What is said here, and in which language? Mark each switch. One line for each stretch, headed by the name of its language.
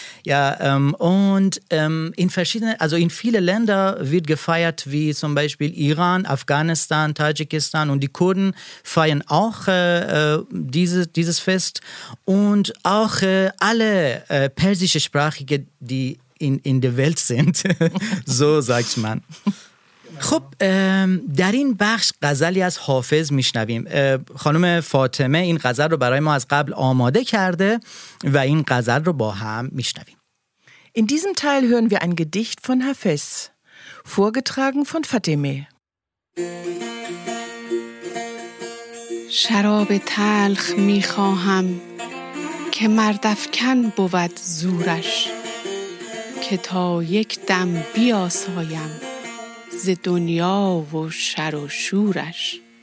German: Ja, und in verschiedenen, also in viele Länder wird gefeiert, wie zum Beispiel Iran, Afghanistan, Tadschikistan, und die Kurden feiern auch dieses Fest. Und auch alle persische Sprachige, die in der Welt sind, so sagt man.
Persian: خب در این بخش غزلی از حافظ میشنویم. خانم فاطمه این غزل رو برای ما از قبل آماده کرده و این غزل رو با هم میشنویم.
German: In diesem Teil hören wir ein Gedicht von Hafez, vorgetragen von Fatime.
Persian: شراب تلخ میخواهم که مردفکن بود زورش، که تا یک دم بیاسایم ز دنیا و شر و شورش.